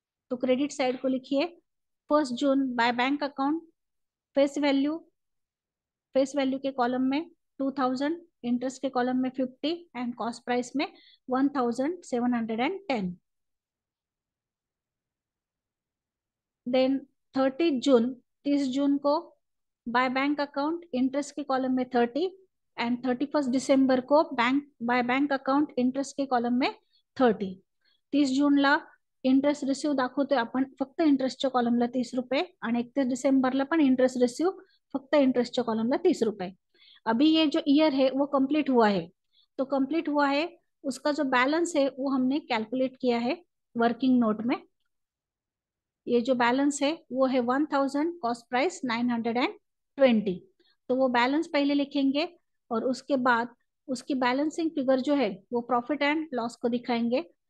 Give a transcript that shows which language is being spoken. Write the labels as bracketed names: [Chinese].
[Hindi] तो credit side को लिखिए, 1 जून by bank account, face value के कॉलम में 2000, इंटरेस्ट के कॉलम में 50 एंड कॉस्ट प्राइस में 1710। देन 30 जून, 30 जून को बाय बैंक अकाउंट इंटरेस्ट के कॉलम में 30 एंड 31 दिसंबर को बाय बैंक अकाउंट इंटरेस्ट के कॉलम में 30। [Marathi] 30 जून ला इंटरेस्ट रिसीव दाखवतोय आपण, फक्त इंटरेस्टच्या कॉलमला 30 रुपये, आणि 31 डिसेंबरला पण इंटरेस्ट रिसीव फक्त इंटरेस्टच्या कॉलमला 30 रुपये। [Hindi] अभी ये जो ईयर है वो कंप्लीट हुआ है, तो कंप्लीट हुआ है उसका जो बैलेंस है वो हमने कैलकुलेट किया है वर्किंग नोट में। ये जो बैलेंस है वो है 1000, कॉस्ट प्राइस 920। तो वो बैलेंस पहले लिखेंगे और उसके बाद उसकी बैलेंसिंग फिगर जो है वो प्रॉफिट एंड लॉस को दिखाएंगे।